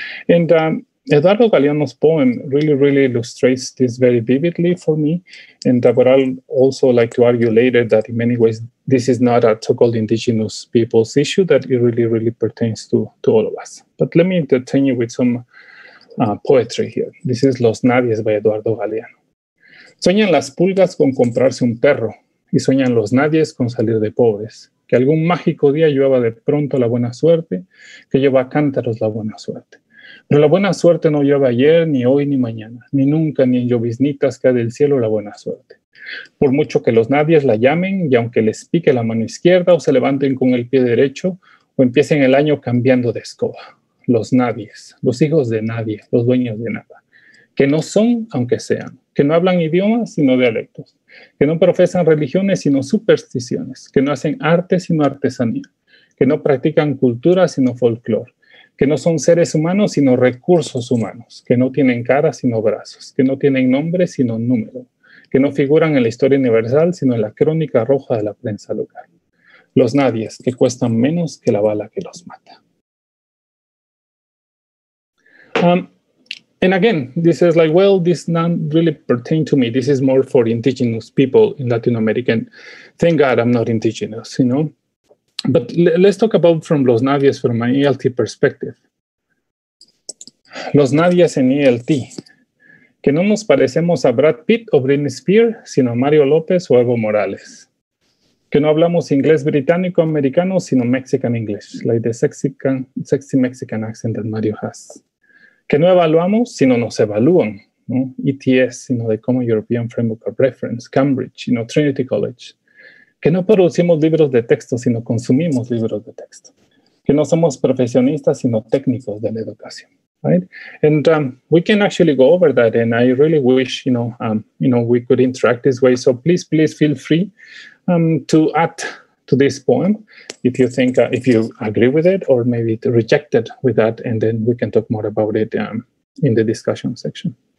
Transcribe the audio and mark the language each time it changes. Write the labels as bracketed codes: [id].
[en] And Eduardo Galeano's poem really, really illustrates this very vividly for me. And but I'll also like to argue later that in many ways, this is not a so-called indigenous people's issue, that it really, really pertains to all of us. But let me entertain you with some poetry here. This is Los Nadies by Eduardo Galeano. [es] Sueñan las pulgas con comprarse un perro, y sueñan los nadies con salir de pobres. Que algún mágico día llueva de pronto la buena suerte, que lleva a cántaros la buena suerte. Pero la buena suerte no llueve ayer, ni hoy, ni mañana, ni nunca, ni en lloviznitas cae del cielo la buena suerte. Por mucho que los nadies la llamen, y aunque les pique la mano izquierda, o se levanten con el pie derecho, o empiecen el año cambiando de escoba. Los nadies, los hijos de nadie, los dueños de nada. Que no son, aunque sean. Que no hablan idiomas, sino dialectos. que no profesan religiones sino supersticiones, que no hacen arte sino artesanía, que no practican cultura sino folclore, que no son seres humanos sino recursos humanos, que no tienen cara sino brazos, que no tienen nombre sino número, que no figuran en la historia universal sino en la crónica roja de la prensa local. Los nadies, que cuestan menos que la bala que los mata. [en] And again, this is like, well, this not really pertain to me. This is more for indigenous people in Latin America. And thank God I'm not indigenous, you know. But let's talk about from los nadies from an ELT perspective. [es] Los nadies en ELT. Que no nos parecemos a Brad Pitt o Britney Spears, sino a Mario López o Evo Morales. Que no hablamos inglés británico-americano, sino Mexican English, [en] like the sexy Mexican accent that Mario has. [es] Que no evaluamos, sino nos evalúan, ¿no? ETS, sino the Common European Framework of Reference, Cambridge, sino Trinity College. Que no producimos libros de texto, sino consumimos libros de texto. Que no somos profesionistas, sino técnicos de la educación. [en] Right? And we can actually go over that, and I really wish, we could interact this way. So please, please feel free to add to this poem if you think, if you agree with it, or maybe to reject it with that, and then we can talk more about it in the discussion section.